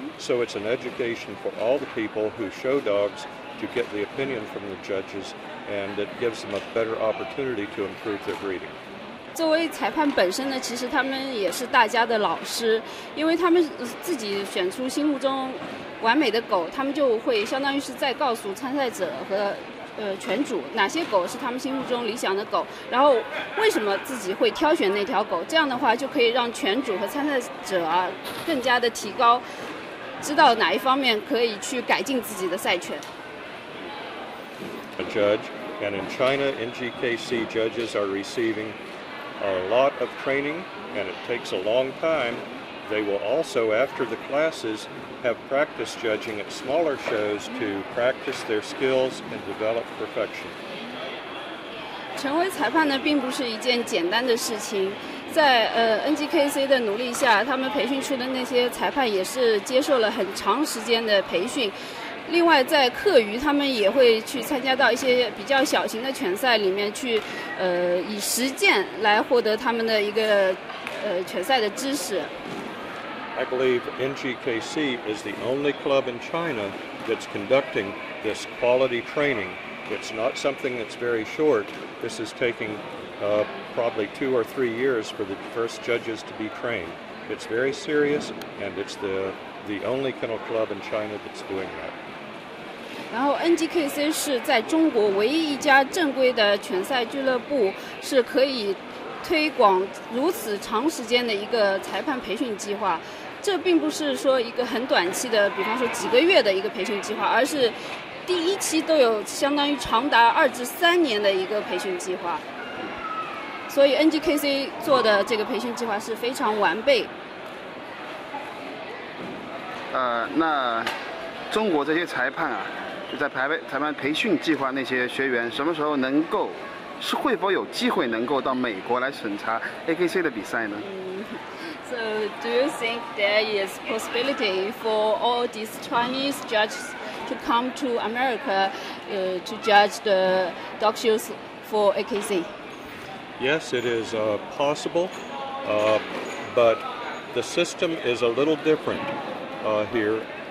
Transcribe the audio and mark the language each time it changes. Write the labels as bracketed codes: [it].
[en] So it's an education for all the people who show dogs to get the opinion from the judges, and it gives them a better opportunity to improve their breeding. [zh] 作为裁判本身呢，其实他们也是大家的老师，因为他们自己选出心目中完美的狗，他们就会相当于是在告诉参赛者和犬主哪些狗是他们心目中理想的狗，然后为什么自己会挑选那条狗，这样的话就可以让犬主和参赛者啊更加的提高，知道哪一方面可以去改进自己的赛犬。 [en] A judge, and in China, NGKC judges are receivingA lot of training, and it takes a long time. They will also, after the classes, have practice judging at smaller shows to practice their skills and develop perfection. [zh] 成为裁判呢，并不是一件简单的事情。在NGKC 的努力下，他们培训出的那些裁判也是接受了很长时间的培训。另外在课余他们也会去参加到一些比较小型的犬赛里面去以实践来获得他们的一个犬赛的知识。 [en] I believe NGKC is the only club in China that's conducting this quality training. It's not something that's very short. This is taking probably 2 or 3 years for the first judges to be trained. It's very serious, and it's the only kennel club in China that's doing that. [zh] 然后 NGKC 是在中国唯一一家正规的犬赛俱乐部，是可以推广如此长时间的一个裁判培训计划。这并不是说一个很短期的，比方说几个月的一个培训计划，而是第一期都有相当于长达2至3年的一个培训计划。所以 NGKC 做的这个培训计划是非常完备。那中国这些裁判啊，在裁判培训计划那些学员什么时候能够，是会否有机会能够到美国来审查 AKC 的比赛呢？ [en] So do you think there is possibility for all these Chinese judges to come to America to judge the dog shows for AKC? Yes, it is possible, but the system is a little different here.